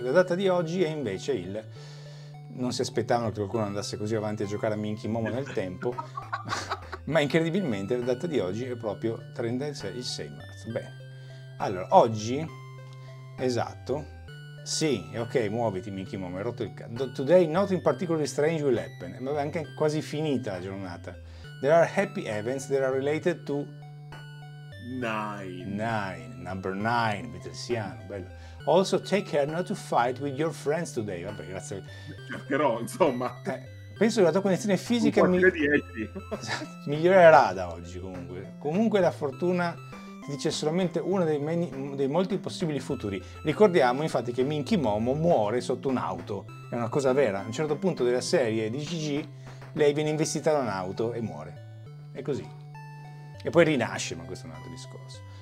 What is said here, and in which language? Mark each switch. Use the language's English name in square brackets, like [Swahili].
[Italian] La data di oggi è invece il... Non si aspettavano che qualcuno andasse così avanti a giocare a Minchi Momo nel tempo, ma incredibilmente la data di oggi è proprio 36, il 6 marzo. Bene. Allora, oggi, esatto... Sì, ok, muoviti Mickey Mom, hai rotto il cazzo. [English] Today nothing particularly strange will happen. [Italian] Ma è anche quasi finita la giornata. [English] There are happy events that are related to... Number nine, [Italian] Vitelsiano, bello. [English] Also take care not to fight with your friends today. [Italian] Vabbè, grazie. Cercherò, insomma. Penso che la tua condizione fisica migliorerà da oggi, comunque. Comunque la fortuna... dice solamente uno dei molti possibili futuri. Ricordiamo infatti che Minchi Momo muore sotto un'auto, è una cosa vera. A un certo punto della serie di Gigi lei viene investita da un'auto e muore, è così, e poi rinasce, ma questo è un altro discorso.